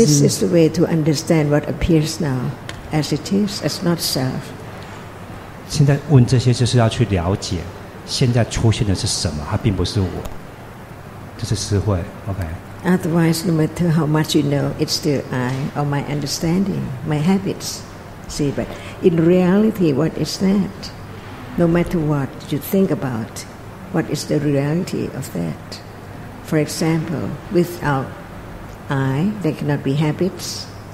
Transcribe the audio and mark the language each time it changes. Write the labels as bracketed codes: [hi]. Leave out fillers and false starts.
[en] This is the way to understand what appears now, as it is, as not self. [zh] 现在问这些就是要去了解，现在出现的是什么？它并不是我，这是智慧。 [en] OK. Otherwise, no matter how much you know, it's still I or my understanding, my habits. See, but in reality, what is that? No matter what you think about, what is the reality of that? For example, without I, there cannot be habits.